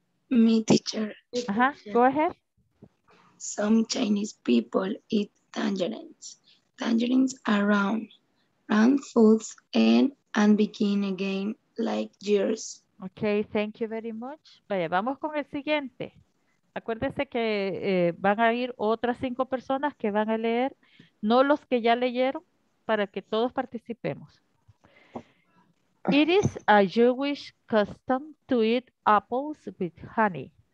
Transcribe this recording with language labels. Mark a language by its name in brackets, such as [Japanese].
[English] Me, teacher. Go ahead. Some Chinese people eat tangerines. Tangerines are round foods and begin again like years. Ok, thank you very much. [Spanish] Vaya, vamos con el siguiente. Acuérdense que van a ir otras 5 personas que van a leer, no los que ya leyeron, para que todos participemos. [English] It is a Jewish custom to eat apples with honey.